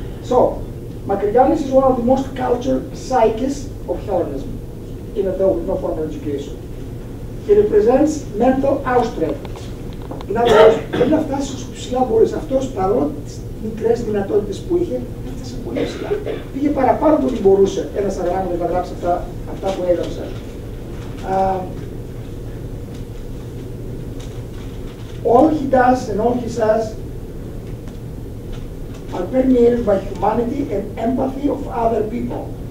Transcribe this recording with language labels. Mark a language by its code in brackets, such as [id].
[en] So, Μακρυγιάννης is one of the most cultured psyches of Hellenism. In a no formal education. He represents mental outstretch. [el] In other words, δεν θα φτάσει όσο ψηλά μπορείς. Αυτός, παρόλο τις μικρές δυνατότητες που είχε, έφτασε πολύ ψηλά. Πήγε παραπάνω από ό,τι μπορούσε ένας αγράμμος να υπαγράψει αυτά που έγραψε. [en] All he does and all he says are permeated by humanity and empathy of other people.